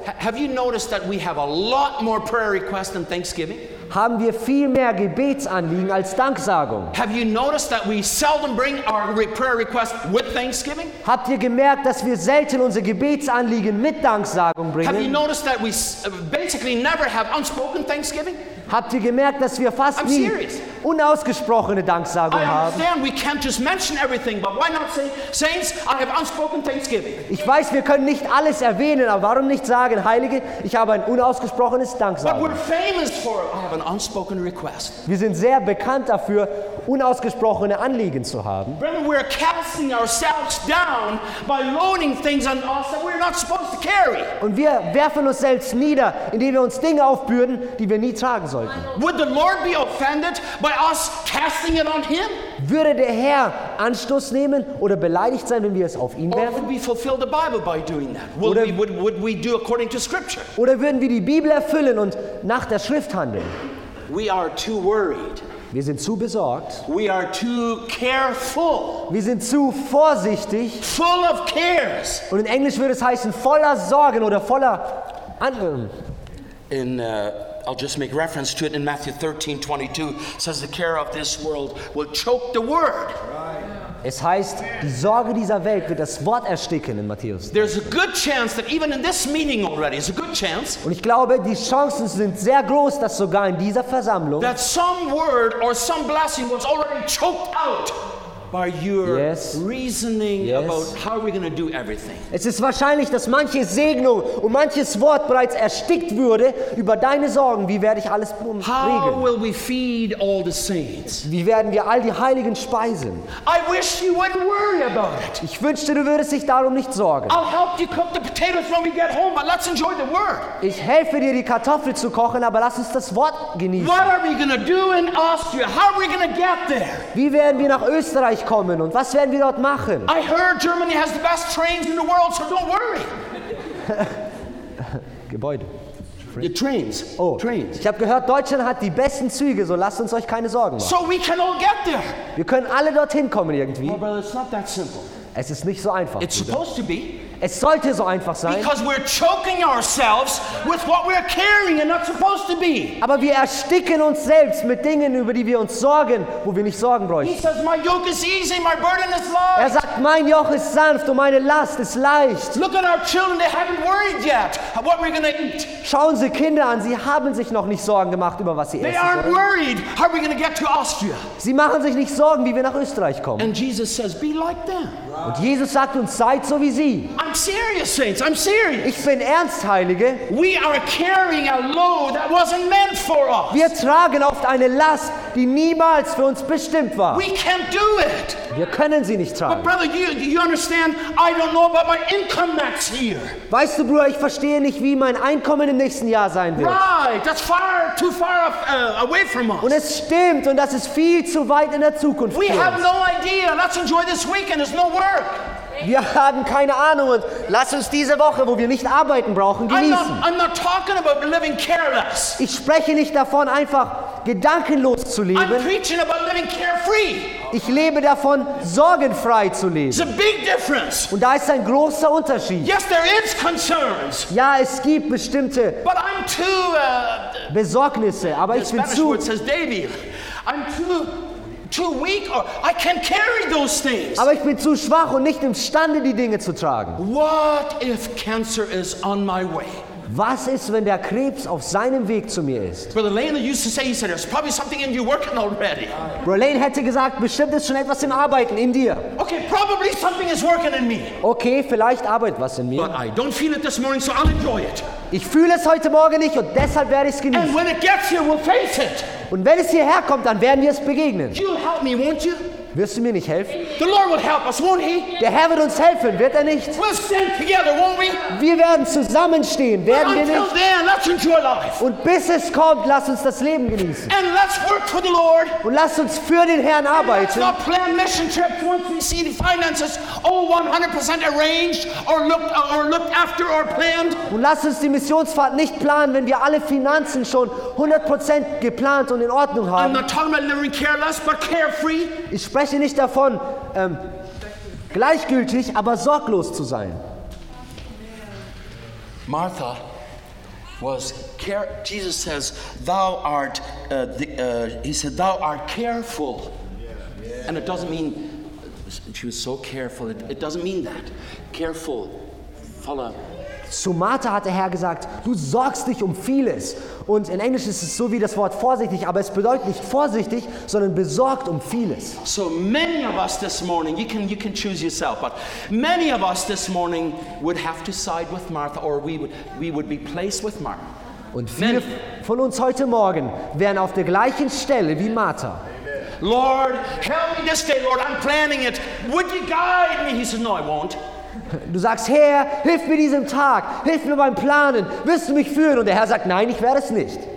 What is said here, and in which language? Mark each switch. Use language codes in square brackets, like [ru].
[en] Have you noticed that we have a lot more prayer requests than thanksgiving? [de] Haben wir viel mehr Gebetsanliegen als Danksagung? [en] Have you noticed that we seldom bring our prayer requests with thanksgiving? [de] Habt ihr gemerkt, dass wir selten unsere Gebetsanliegen mit Danksagung bringen? [en] Have you noticed that we basically never have unspoken thanksgiving? [de] Habt ihr gemerkt, dass wir fast nie unausgesprochene Danksagung haben? [en] We can't just mention everything, but why not say, saints, I have unspoken thanksgiving. [de] Ich weiß, wir können nicht alles erwähnen, aber warum nicht sagen, Heilige, ich habe ein unausgesprochenes Danksagung. [en] But we're famous for an unspoken request. [de] Wir sind sehr bekannt dafür, unausgesprochene Anliegen zu haben. [en] Brethren, we're casting ourselves down by loaning things on us that we're not supposed to carry. [de] Und wir werfen uns selbst nieder, indem wir uns Dinge aufbürden, die wir nie tragen sollten. [en] Would the Lord be offended by us casting it on him? [de] Würde der Herr Anstoß nehmen oder beleidigt sein, wenn wir es auf ihn werfen? [en] Or would we fulfill the Bible by doing that? Would we do according to scripture? [de] Oder würden wir die Bibel erfüllen und nach der Schrift handeln? [en] We are too worried. [de] Wir sind zu besorgt. [en] We are too careful. [de] Wir sind zu vorsichtig. [en] Full of cares. [de] Und in Englisch würde es heißen voller Sorgen oder voller [en] I'll just make reference to it in Matthew 13:22 says the care of this world will choke the word. Right. [de] Es heißt, die Sorge dieser Welt wird das Wort ersticken in Matthäus. [en] There's a good chance that even in this meeting already, it's a good chance. [de] Und ich glaube, die Chancen sind sehr groß, dass sogar in dieser Versammlung [en] that some word or some blessing was already choked out by your yes. reasoning yes. about how we're going to do everything. [de] Es ist wahrscheinlich, dass manche Segnung und manches Wort bereits erstickt würde über deine Sorgen, wie werde ich alles regeln? [en] How will we feed all the saints? [de] Wie werden wir all die Heiligen speisen? [en] I wish you wouldn't worry about it. [de] Ich wünschte, du würdest dich darum nicht sorgen. [en] I'll help you cook the potatoes when we get home, but let's enjoy the word. [de] Ich helfe dir, die Kartoffeln zu kochen, aber lass uns das Wort genießen. [en] What are we going to do in Austria? How are we going to get there? [de] Wie werden wir nach Österreich kommen und was werden wir dort machen? [en] I heard Germany has the best trains in the world, so don't worry. [de] Gebäude. [en] The trains. Oh, trains. [de] Ich habe gehört, Deutschland hat die besten Züge, so lasst uns euch keine Sorgen machen. [en] So we can all get there. [de] Wir können alle dorthin kommen irgendwie. [en] Well, brother, it's not that simple. [de] Es ist nicht so einfach. [en] It's supposed to be. [de] Es sollte so einfach sein. [en] Because we're choking ourselves with what we're carrying and not supposed to be. [de] Aber wir ersticken uns selbst mit Dingen, über die wir uns sorgen, wo wir nicht sorgen bräuchten. [en] He says, my yoke is easy, my burden is light. [de] Er sagt, mein Joch ist sanft und meine Last ist leicht. [en] Look at our children, they haven't worried yet what we're going to eat. [de] Schauen Sie Kinder an, sie haben sich noch nicht Sorgen gemacht über was sie essen. [en] They aren't worried how we're going to get to Austria. [de] Sie machen sich nicht Sorgen, wie wir nach Österreich kommen. [en] And Jesus says, be like them. [de] Und Jesus sagt uns, seid so wie sie. [en] I'm serious, saints. I'm serious. [de] Ich bin ernst, Heilige. [en] We are carrying a load that wasn't meant for us. [de] Wir tragen oft eine Last, die niemals für uns bestimmt war. [en] We can't do it. [de] Wir können sie nicht tragen. [en] But brother, you understand? I don't know about my income next year. [de] Weißt du, Bruder, ich verstehe nicht, wie mein Einkommen im nächsten Jahr sein wird. [en] Right. That's far too far off, away from us. [de] Und es stimmt, und das ist viel zu weit in der Zukunft. [en] We have no idea. Let's enjoy this weekend. There's no work. [de] Wir haben keine Ahnung und lass uns diese Woche, wo wir nicht arbeiten brauchen, genießen. [en] I'm not talking about living careless. [de] Ich spreche nicht davon, einfach gedankenlos zu leben. [en] I'm preaching about living carefree. [de] Ich lebe davon, sorgenfrei zu leben. [en] It's a big difference. [de] Und da ist ein großer Unterschied. [en] Yes, there is concerns. [de] Ja, es gibt bestimmte [en] But I'm too, [de] Besorgnisse, aber ich bin zu... [en] Spanish word says, Davy, I'm too weak or I can't carry those things. [de] Aber ich bin zu schwach und nicht imstande, die Dinge zu tragen. [en] What if cancer is on my way? [de] Was ist, wenn der Krebs auf seinem Weg zu mir ist? [en] Brother Lane used to say, he said, there's probably something in you working already. [de] Brother Lane hätte gesagt, bestimmt ist schon etwas im Arbeiten in dir. [en] Okay, probably something is working in me. [de] Okay, vielleicht arbeitet was in mir. [en] But I don't feel it this morning, so I'll enjoy it. [de] Ich fühle es heute Morgen nicht und deshalb werde ich es genießen. [en] And when it gets here, we'll face it. [de] Und wenn es hierher kommt, dann werden wir es begegnen. [en] You'll help me, won't you? [de] Wirst du mir nicht helfen? [en] The Lord will help us, won't he? [de] Der Herr wird uns helfen, wird er nicht? [en] We'll stand together, won't we? [de] Wir werden zusammenstehen, werden [en] until [de] wir nicht? [en] Then, let's enjoy life. [de] Und bis es kommt, lass uns das Leben genießen. [en] And let's work for the Lord. [de] Und lass uns für den Herrn arbeiten. [en] And let's not plan mission trips once we see the finances all 100% arranged or looked after or planned. [de] Und lass uns die Missionsfahrt nicht planen, wenn wir alle Finanzen schon 100% geplant und in Ordnung haben. [en] I'm not talking about living careless, but carefree. [de] Ich spreche nicht davon, gleichgültig, aber sorglos zu sein. [en] Martha was care. Jesus says, "Thou art." He said, "Thou art careful," and it doesn't mean she was so careful. It doesn't mean that. Careful, follow. [de] Zu Martha hat der Herr gesagt, du sorgst dich um vieles. Und in Englisch ist es so wie das Wort vorsichtig, aber es bedeutet nicht vorsichtig, sondern besorgt um vieles. [en] So many of us this morning, you can choose yourself, but many of us this morning would have to side with Martha or we would be placed with Martha. [de] Und viele [en] many. [de] Von uns heute Morgen wären auf der gleichen Stelle wie Martha. [en] Lord, help me this day, Lord, I'm planning it. Would you guide me? He says, no, I won't. [de] Du sagst, Herr, hilf mir diesem Tag, hilf mir beim Planen, wirst du mich führen? Und der Herr sagt, nein, ich werde es nicht.